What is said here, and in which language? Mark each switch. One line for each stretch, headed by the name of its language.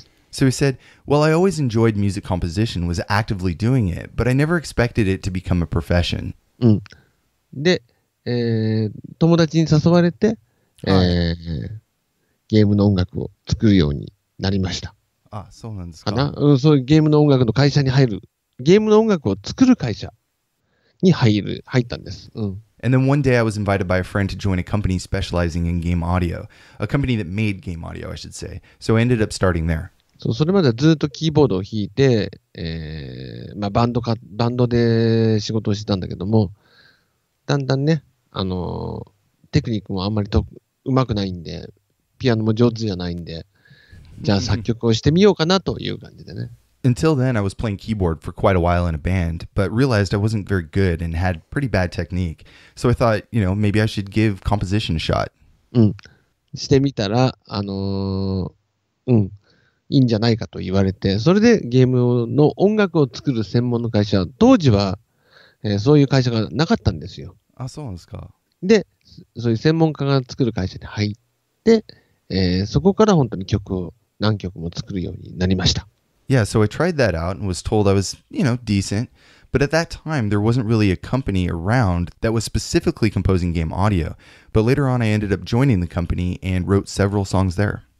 English: So he said, well, I always enjoyed music composition, was actively doing it, but I never expected it to become a profession.
Japanese: で、友達に誘われて、ゲームの音楽を作るようになりました。あ、そうなんですか。うん、そういうゲームの音楽の会社に入る、ゲームの音楽を作る会社に入ったんです。うん。
English: And then one day I was invited by a friend to join a company specializing in game audio, a company that made game audio, I should say. So I ended up starting there.
Japanese: そう、それまでずっとキーボードを弾いて、まあ、バンドで仕事をしてたんだけども、だんだんね、テクニックもあんまりうまくないんで、ピアノも上手じゃないんで、じゃあ作曲をしてみようかなという感じでね。
English: Until then, I was playing keyboard for quite a while in a band, but realized I wasn't very good and had pretty bad technique. So I thought, you know, maybe I should give composition a shot.
Japanese: うん。してみたら、うん、いいんじゃないかと言われて、それでゲームの音楽を作る専門の会社、当時は、そういう会社がなかったんですよ。あ、そうなんですか。で、そういう専門家が作る会社に入って、そこから本当に曲を何曲も作るようになりました。
English: Yeah, so I tried that out and was told I was, you know, decent. But at that time, there wasn't really a company around that was specifically composing game audio. But later on, I ended up joining the company and wrote several songs there.